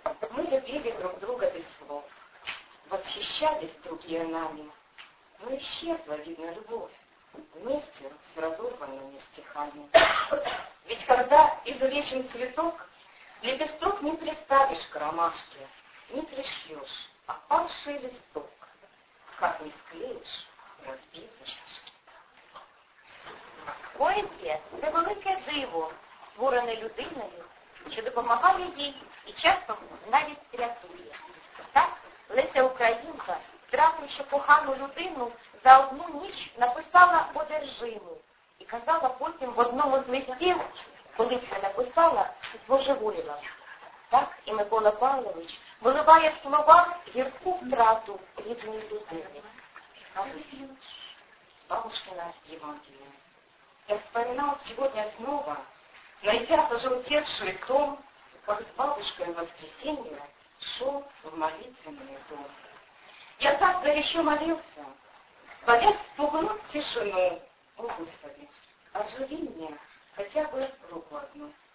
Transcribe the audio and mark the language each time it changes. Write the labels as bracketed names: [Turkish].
[Russian] Мы любили друг друга без слов, восхищались другие нами, но исчезла, видно, любовь вместе с разорванными стихами. Ведь когда изувечен цветок, лепесток не приставишь к ромашке, не пришьешь опавший листок, как не склеишь разбитые чашки. [Ukrainian] Поезія – це велике диво, створене людиною, що допомагає їй і часто навіть рятує. Так Леся Українка, втративши кохану людину, за одну ніч написала одержиму і казала потім в одному з листів, коли це написала, збожеволіла. Так і Микола Павлович виливає в словах гірку втрату рідної людини. А ось бабушкина Євангелія. [Russian] Я вспоминал сегодня снова, найдя пожелтевший том, как с бабушкой в воскресенье шел в молитвенный дом. Я так горячо молился, боясь спугнуть тишину. О, Господи, оживи мне хотя бы руку одну.